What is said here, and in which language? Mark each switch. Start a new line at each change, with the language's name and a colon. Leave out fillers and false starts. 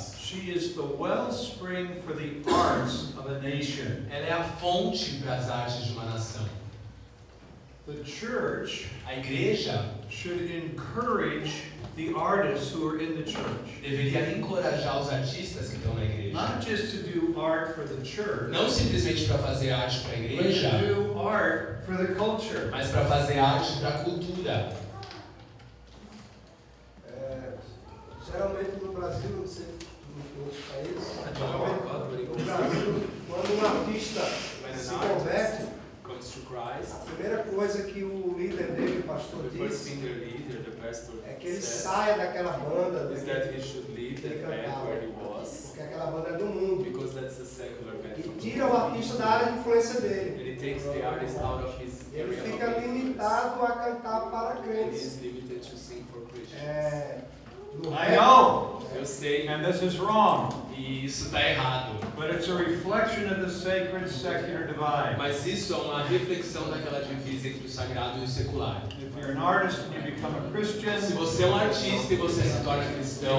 English: she is the wellspring for the arts of a nation.
Portuguese: Ela é a fonte para as artes de uma nação.
English: The church,
Portuguese: a igreja,
English: should encourage the artists who are in the church.
Portuguese: Deveria encorajar os artistas que estão na igreja.
English: Not just to do art for the church.
Portuguese: Não simplesmente para fazer arte para a igreja.
English: But to do art for the culture.
Portuguese: Mas para fazer arte para a cultura. Geralmente no Brasil, não sei, em outros países, no Brasil, quando um artista se converte,
English: Christ,
Portuguese: a primeira coisa que o líder dele, o pastor, diz é que ele sai daquela banda porque aquela banda é do mundo,
English: that's a secular band,
Portuguese: e tira o artista da área de influência dele.
English: And he takes the artist out of his
Portuguese: area. Ele fica limitado a cantar para crentes.
English: He is limited to sing for Christians. I know.
Portuguese: Eu sei.
English: And this is wrong.
Portuguese: E isso está errado.
English: But it's a reflection of the sacred secular divide.
Portuguese: Mas isso é uma reflexão daquela divisa entre o sagrado e o secular.
English: If you're an artist and you become a Christian,
Portuguese: se você é um artista e você se torna cristão,